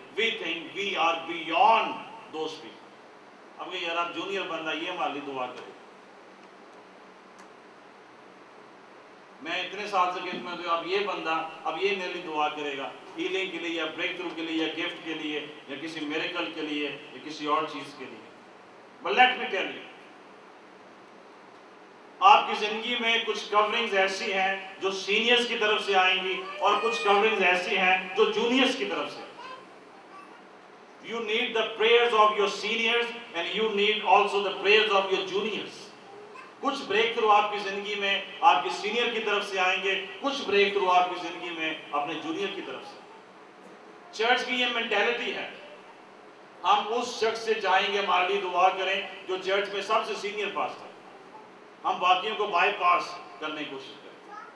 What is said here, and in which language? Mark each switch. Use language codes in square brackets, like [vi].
[en] We think we are beyond those people. [ur] اب یار آپ جونیئر بندہ یہ مالی دعا کرے، میں اتنے سال سے گفٹ میں، تو اب یہ بندہ اب یہ میرے لیے دعا کرے گا ہیلنگ کے لیے یا بریک تھرو کے لیے یا گفٹ کے لیے یا کسی میریکل کے لیے یا کسی اور چیز کے لیے. [en] but let me tell you, [ur] آپ کی زندگی میں کچھ کورنگز ایسی ہیں جو سینئرز کی طرف سے آئیں گی اور کچھ کورنگز ایسی ہیں جو جونیئرز کی طرف سے. [en] You need the prayers of your seniors and you need also the prayers of your juniors. [ur] کچھ بریک تھرو آپ کی زندگی میں آپ کے سینئر کی طرف سے آئیں گے، کچھ بریک تھرو آپ کی زندگی میں اپنے جونیئر کی طرف سے. چرچ کی یہ مینٹیلٹی ہے، ہم اس شخص سے جائیں گے ہمارے لیے دعا کریں جو چرچ میں سب سے سینئر پاسٹر، ہم باقیوں کو بائی پاس کرنے کی کوشش کریں.